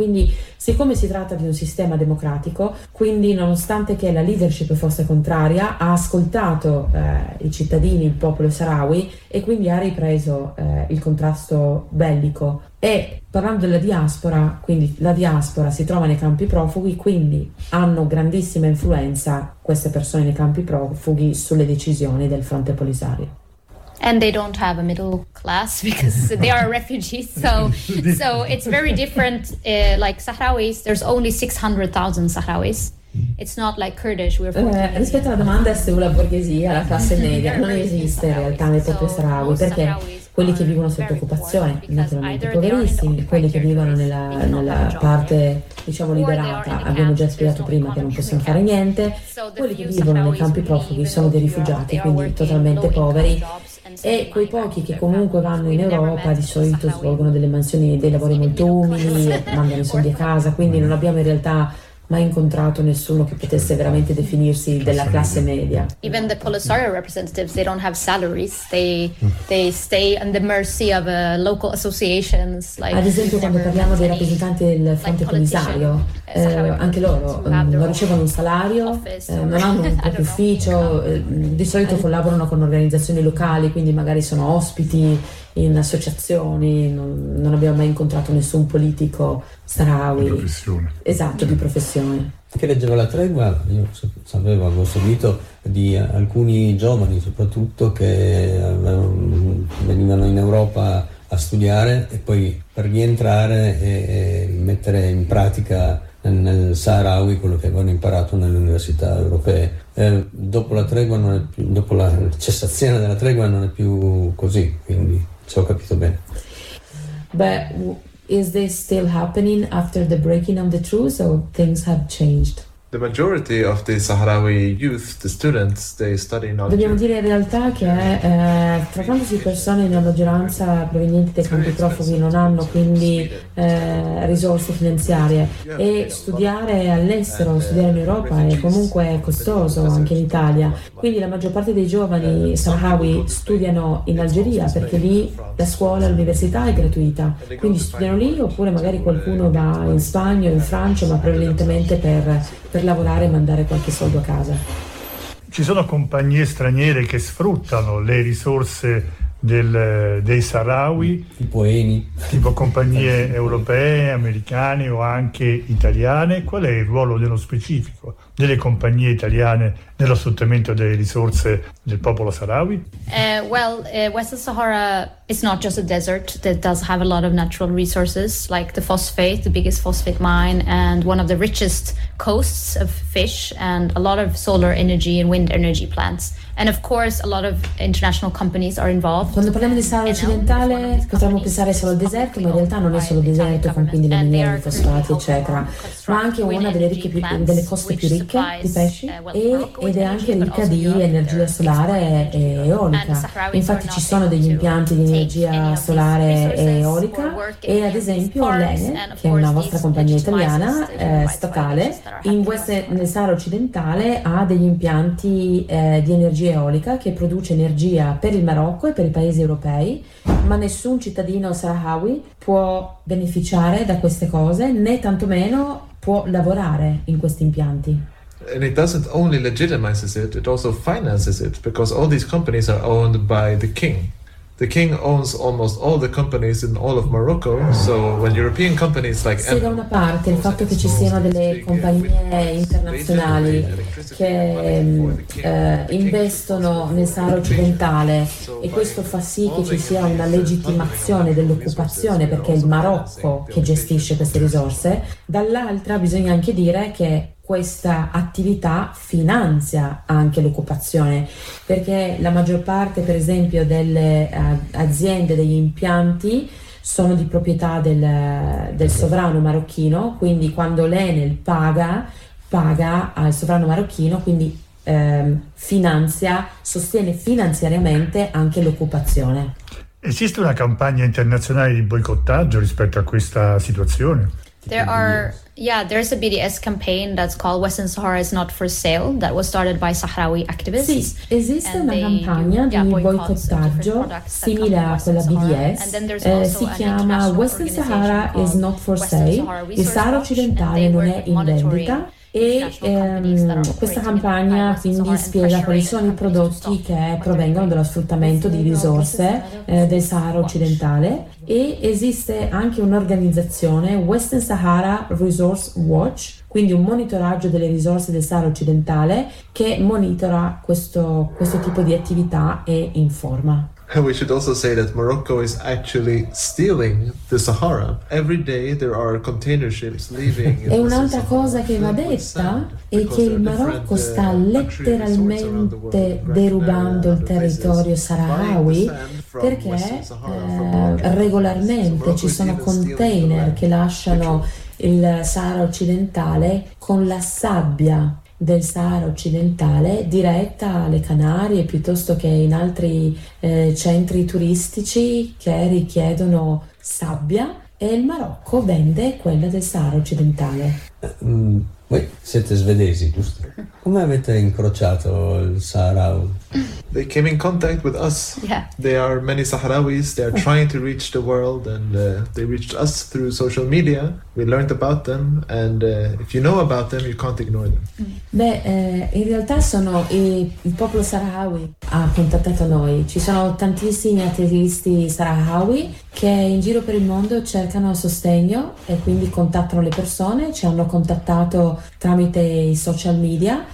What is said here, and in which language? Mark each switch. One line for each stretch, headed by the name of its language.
Italian: Quindi, siccome si tratta di un sistema democratico, quindi nonostante che la leadership fosse contraria, ha ascoltato i cittadini, il popolo sahrawi, e quindi ha ripreso il contrasto bellico. E parlando della diaspora, quindi la diaspora si trova nei campi profughi, quindi hanno grandissima influenza queste persone nei campi profughi sulle decisioni del fronte Polisario.
English: And they don't have a middle class because they are refugees, so it's very different. Like Sahrawis, there's only 600,000 Sahrawis. It's not like Kurdish. We're
Italian: rispetto alla domanda sulla borghesia, la classe media, non esiste in realtà nel popolo sahrawi, perché quelli che vivono sotto occupazione, naturalmente poverissimi, quelli che vivono nella parte, diciamo, liberata, abbiamo già spiegato prima che non possono fare niente, quelli che vivono nei campi profughi sono dei rifugiati, quindi totalmente poveri, e quei pochi che comunque vanno in Europa di solito svolgono delle mansioni, dei lavori molto umili, mandano i soldi a casa, quindi non abbiamo in realtà mai incontrato nessuno che potesse veramente definirsi della classe media.
English: Even the Polisario representatives, they don't have salaries, they stay on the mercy of local associations. Like,
Italian: ad esempio, quando parliamo dei rappresentanti del fronte Polisario, anche loro non ricevono un salario, non hanno un proprio ufficio, di solito collaborano con organizzazioni locali, quindi magari sono ospiti in associazioni, non abbiamo mai incontrato nessun politico sahrawi. Di professione. Esatto, di professione. Che leggeva la tregua, io sapevo, avevo sentito di alcuni giovani soprattutto che venivano in Europa a studiare e poi per rientrare e mettere in pratica nel sahrawi quello che avevano imparato nelle università europee. Dopo la tregua non è più, dopo la cessazione della tregua non è più così, quindi se ho capito bene.
English: But is this still happening after the breaking of the truce, or things have changed? The majority of the Sahrawi youth, the students, they study in Algeria.
Italian: Dobbiamo dire in realtà che trattandosi di persone nella maggioranza provenienti dai campi profughi non hanno quindi risorse finanziarie, e studiare all'estero, studiare in Europa è comunque costoso anche in Italia. Quindi la maggior parte dei giovani Sahrawi studiano in Algeria perché lì la scuola, l'università è gratuita. Quindi studiano lì, oppure magari qualcuno va in Spagna o in Francia, ma prevalentemente per lavorare e mandare qualche soldo a casa. Ci sono compagnie straniere che sfruttano le risorse dei Sahrawi, tipo Eni, tipo compagnie europee, americane o anche italiane. Qual è il ruolo nello specifico delle compagnie italiane nello sfruttamento delle risorse del popolo Sahrawi?
English: Western Sahara is not just a desert that does have a lot of natural resources, like the phosphate, the biggest phosphate mine, and one of the richest coasts of fish, and a lot of solar energy and wind energy plants. And of course, a lot of international companies are involved.
Italian: Quando parliamo di Sahara occidentale, potremmo pensare solo al deserto, ma in realtà non è solo deserto, con quindi le miniere, i fosfati, eccetera, ma anche una delle coste più ricche di pesci, ed è anche ricca di energia solare e eolica. Infatti ci sono degli impianti di energia solare e eolica, e ad esempio l'ENE, che è una vostra compagnia italiana statale, nel Sahara occidentale ha degli impianti di energia eolica che produce energia per il Marocco e per i paesi europei, ma nessun cittadino sahrawi può beneficiare da queste cose, né tantomeno può lavorare in questi impianti.
English: And it doesn't only legitimizes it, it also finances it, because all these companies are owned by the king. The king owns almost all the companies in all of Morocco, so when European companies like...
Italian: Se da una parte il fatto che ci siano delle compagnie internazionali che investono nel Sahara occidentale, e questo fa sì che ci sia una legittimazione dell'occupazione perché è il Marocco che gestisce queste risorse, dall'altra bisogna anche dire che questa attività finanzia anche l'occupazione, perché la maggior parte, per esempio, delle aziende, degli impianti, sono di proprietà del sovrano marocchino, quindi quando l'Enel paga al sovrano marocchino, quindi sostiene finanziariamente anche l'occupazione. Esiste una campagna internazionale di boicottaggio rispetto a questa situazione?
English: There's a BDS campaign that's called Western Sahara is not for sale that was started by Sahrawi activists.
Italian: Sì, esiste una campagna di boicottaggio simile a quella BDS. Si chiama Western Sahara is not for sale. Il Sahara occidentale non è in vendita. E questa campagna quindi spiega quali sono i prodotti che provengono dallo sfruttamento di risorse del Sahara occidentale, e esiste anche un'organizzazione, Western Sahara Resource Watch, quindi un monitoraggio delle risorse del Sahara occidentale, che monitora questo tipo di attività e informa.
English: We should also say that Morocco is actually stealing the Sahara. Every day there are container ships leaving.
Italian: È un'altra cosa che va detta, è che il Marocco sta letteralmente derubando il territorio sahrawi, perché regolarmente ci sono container che lasciano il Sahara occidentale con la sabbia del Sahara occidentale diretta alle Canarie piuttosto che in altri centri turistici che richiedono sabbia, e il Marocco vende quella del Sahara occidentale. Voi siete svedesi, giusto? Come avete incrociato il Sahara?
English: They came in contact with us. Yeah. There are many Sahrawis. They are trying to reach the world, and they reached us through social media. We learned about them, and if you know about them, you can't ignore them.
Italian: Beh, in realtà sono il popolo Sahrawi ha contattato noi. Ci sono tantissimi attivisti Sahrawi che in giro per il mondo cercano sostegno e quindi contattano le persone. Ci hanno contattato tramite i social media.